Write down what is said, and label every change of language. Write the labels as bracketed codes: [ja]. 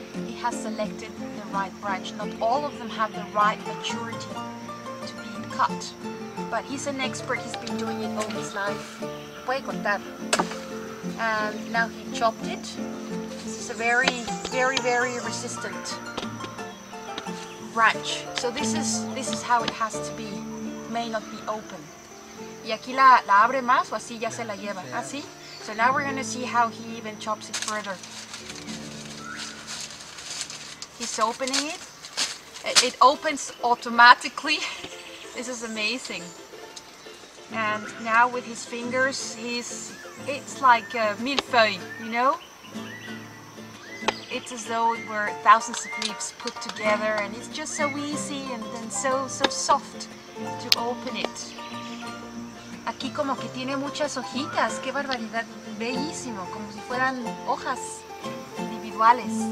[en] He has selected the right branch. Not all of them have the right maturity to be cut, but he's an expert, he's been doing it all his life. [es] Puede cortar. [en] And now he chopped it. This is a very, very, very resistant branch. So this is how it has to be. It may not be open. [es] Y aquí la abre más o así ya se la lleva. Ah, sí? [en] So now we're gonna see how he even chops it further. He's opening it. It opens automatically. This is amazing. And now with his fingers, it's like a millefeuille, you know? It's as though it were thousands of leaves put together, and it's just so easy and so soft to open it. [es] Aquí como que tiene muchas hojitas, qué barbaridad, bellísimo, como si fueran hojas individuales.